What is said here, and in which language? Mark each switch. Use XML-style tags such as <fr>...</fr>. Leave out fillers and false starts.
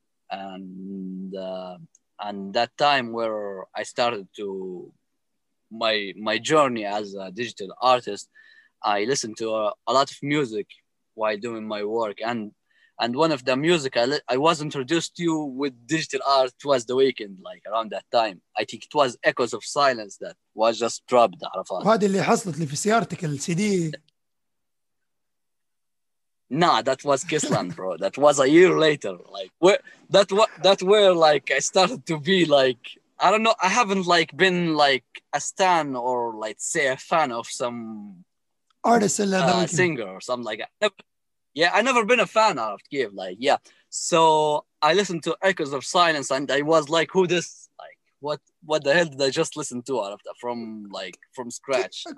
<en>And that time where I started to my journey as a digital artist, I listened to a lot of music while doing my work. And one of the music I was introduced to you with digital art was The Weeknd, like around that time. I think it was Echoes of Silence that was just dropped.</en> <ar>هذه اللي حصلت لي في سيارتك الCD.</ar> <en>Nah, that was Kissland, bro. That was a year later. Like where like I started to be like, I don't know, I haven't like been like a stan or like say a fan of some artist singer or something like that. Yeah, I never been a fan of Kiev, like yeah. So I listened to Echoes of Silence and I was like, who this, like what the hell did I just listen to out of that from scratch?</en>